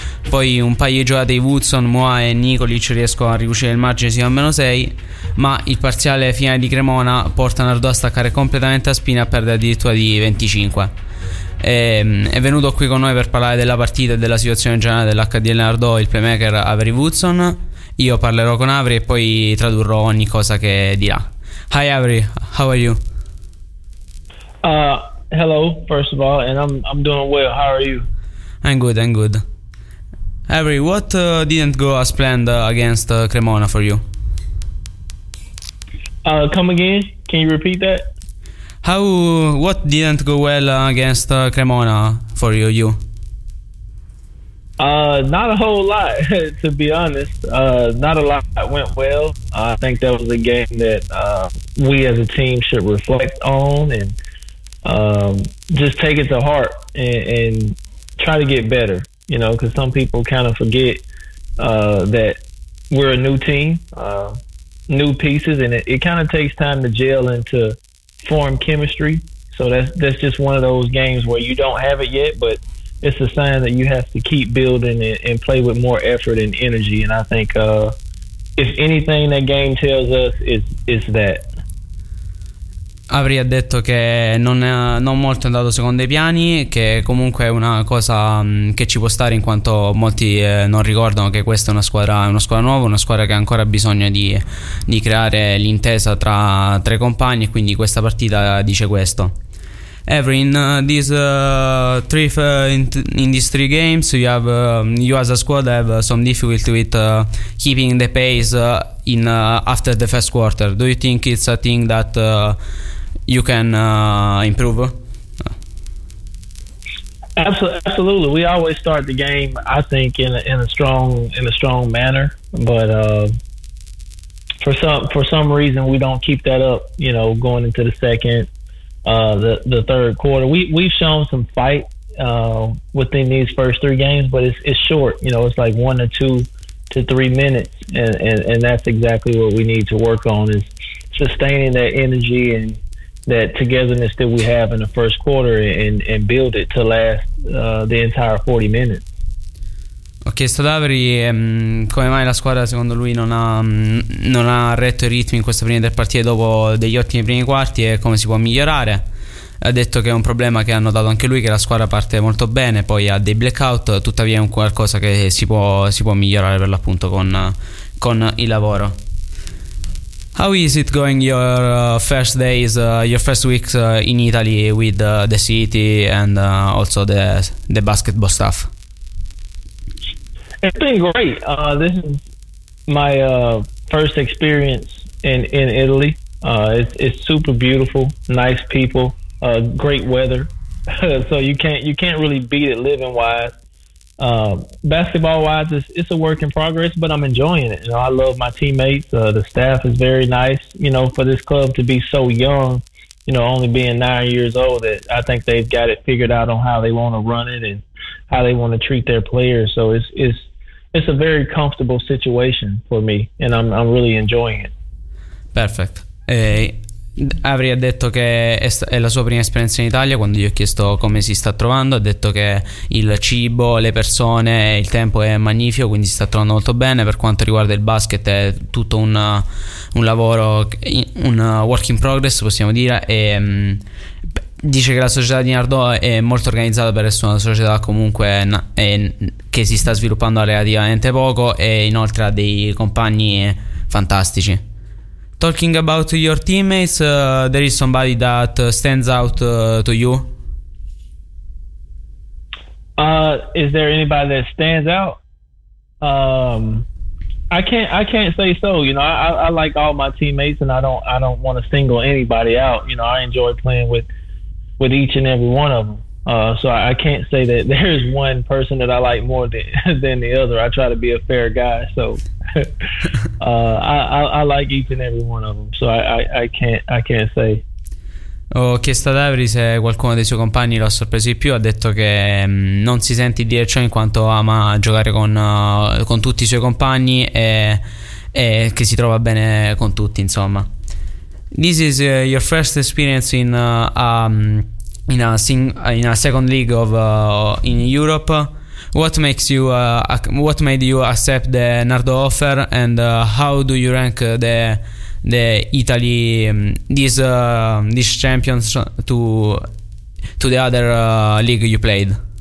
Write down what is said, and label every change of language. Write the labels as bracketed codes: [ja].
[it] Poi un paio di giocate di Woodson, Moa e Nicolic riescono a riuscire il margine sino a meno 6, ma il parziale finale di Cremona porta Nardò a staccare completamente a spina e perde addirittura di 25. E, è venuto qui con noi per parlare della partita e della situazione generale dell'HDL Nardò, il playmaker Avery Woodson. Io parlerò con Avery e poi tradurrò ogni cosa che dirà. [en] Hi Avery, how are you? Hello, first of all, and I'm doing well. How are you? I'm good. Avery, what didn't go as planned against Cremona for you? Come again? Can you repeat that? What didn't go well against Cremona for you? Not a whole lot, to be honest. Not a lot went well. I think that was a game that we as a team should reflect on and just take it to heart and try to get better, you know, because some people kind of forget that we're a new team, new pieces, and it kind of takes time to gel and to form chemistry. So that's just one of those games where you don't have it yet, but it's a sign that you have to keep building and play with more effort and energy. And I think if anything that game tells us is that. [it] Avery ha detto che non molto è andato secondo i piani, che comunque è una cosa che ci può stare in quanto molti non ricordano che questa è una squadra nuova, una squadra che ha ancora bisogno di creare l'intesa tra i compagni, e quindi questa partita dice questo. [en] Avery, in these three games you have you as a squad have some difficulty with keeping the pace in after the first quarter. Do you think it's a thing that you can improve? Absolutely. We always start the game, I think, in a strong manner, but for some reason we don't keep that up, you know, going into the second, the third quarter. We've shown some fight within these first three games, but it's short, you know, it's like 1 to 2 to 3 minutes, and that's exactly what we need to work on, is sustaining that energy and that togetherness that we have in the first quarter and build it to last the entire 40 minutes. [it] Ho chiesto ad Avery come mai la squadra secondo lui non ha retto i ritmi in questa prima del partito dopo degli ottimi primi quarti e come si può migliorare. Ha detto che è un problema che ha notato anche lui, che la squadra parte molto bene, poi ha dei blackout, tuttavia è un qualcosa che si può migliorare per l'appunto con il lavoro. [en] How is it going your first days, your first weeks in Italy with the city and also the basketball staff? It's been great. This is my first experience in Italy. It's super beautiful, nice people, great weather. So you can't really beat it living wise. Basketball wise, it's a work in progress, but I'm enjoying it. You know, I love my teammates. The staff is very nice. You know, for this club to be so young, you know, only being 9 years old, that I think they've got it figured out on how they want to run it and how they want to treat their players. So it's a very comfortable situation for me, and I'm really enjoying it. Perfect. [it] Avery ha detto che è la sua prima esperienza in Italia. Quando gli ho chiesto come si sta trovando, ha detto che il cibo, le persone, il tempo è magnifico, quindi si sta trovando molto bene. Per quanto riguarda il basket, è tutto un lavoro, un [en] work in progress, [it] possiamo dire. E dice che la società di Nardò è molto organizzata per essere una società comunque che si sta sviluppando relativamente poco, e inoltre ha dei compagni fantastici. [en] Talking about your teammates, there is somebody that stands out to you? Is there anybody that stands out? I can't say so. You know, I like all my teammates, and I don't want to single anybody out. You know, I enjoy playing with each and every one of them. So I can't say that there's one person that I like more than the other. I try to be a fair guy, so I like each and every one of them. So I can't say. [it] Ho chiesto ad Avery se qualcuno dei suoi compagni l'ha sorpreso di più. Ha detto che non si sente di dire ciò in quanto ama giocare con tutti i suoi compagni e che si trova bene con tutti, insomma. [en] This is your first experience in a second league of in Europe. What made you accept the Nardò offer, and how do you rank the Italy these champions to the other league you played?